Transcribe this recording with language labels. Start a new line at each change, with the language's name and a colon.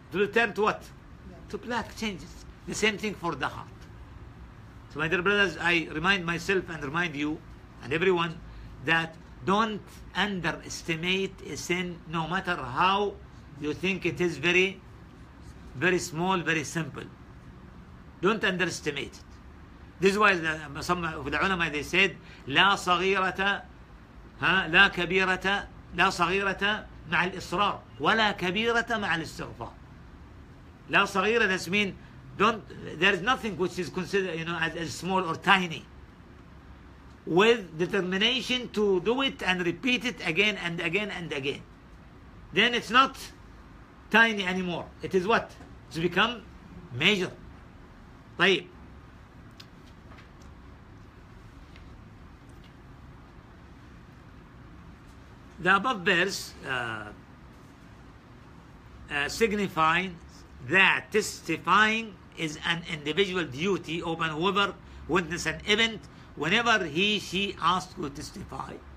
English: To return to what? Yeah. To black changes. The same thing for the heart. So my dear brothers, I remind myself and remind you and everyone that don't underestimate a sin no matter how you think it is very, very small, very simple. Don't underestimate it. This is why some of the ulama they said,
Arabic: "La صغيرة, la كبيرة, la صغيرة مع الإصرار, ولا كبيرة مع الاستغفار."
English: La صغيرة does mean don't. There is nothing which is considered, you know, as small or tiny. With determination to do it and repeat it again and again and again, then it's not tiny anymore. It is what? It's become major. طيب the above verse signifies that testifying is an individual duty open whoever witness an event whenever he she asked to testify